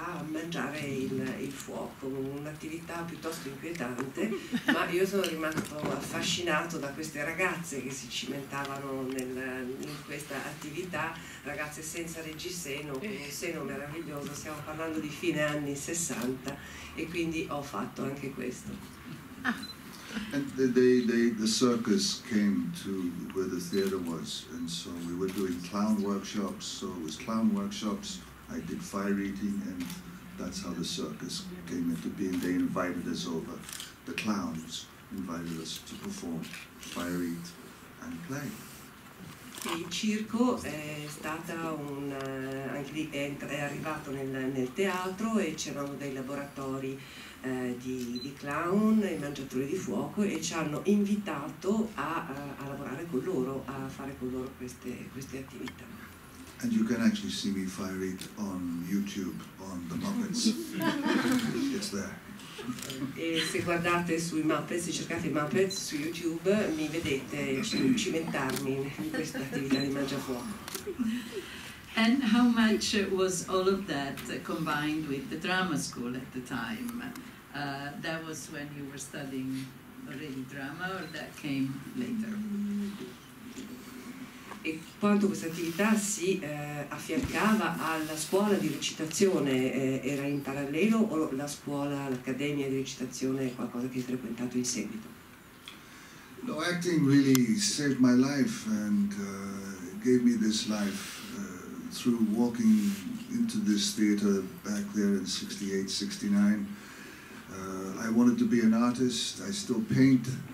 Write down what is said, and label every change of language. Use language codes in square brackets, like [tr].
[it] mangiare il fuoco, un'attività piuttosto inquietante, ma io sono rimasto affascinato da queste ragazze che si cimentavano in questa attività, ragazze senza reggiseno, con un seno meraviglioso, stiamo parlando di fine anni 60, e quindi ho fatto anche questo. [en] And the circus came to where the theater was, and so we were doing clown workshops. So it was clown workshops. I did fire eating, and that's how the circus came into being. They invited us over. The clowns invited us to perform, fire eat, and play. [it] Il circo è stata arrivato nel teatro e c'erano dei laboratori. Di clown e mangiatori di fuoco e ci hanno invitato a lavorare con loro, a fare con loro queste attività. [en] And you can actually see me fire it on YouTube on the Muppets. It's there. [it] E se guardate sui Muppets, se cercate Muppets su YouTube, mi vedete cimentarmi in questa attività di mangiafuoco. [en] And how much was all of that combined with the drama school at the time? That was when you were studying already drama, or that came later? [it] E quanto questa attività si affiancava alla scuola di recitazione, era in parallelo o la scuola, l'accademia di recitazione è qualcosa che hai frequentato in seguito? [en] No, acting really saved my life and gave me this life. Through walking into this theater back there in 68-69, I wanted to be an artist. I still paint.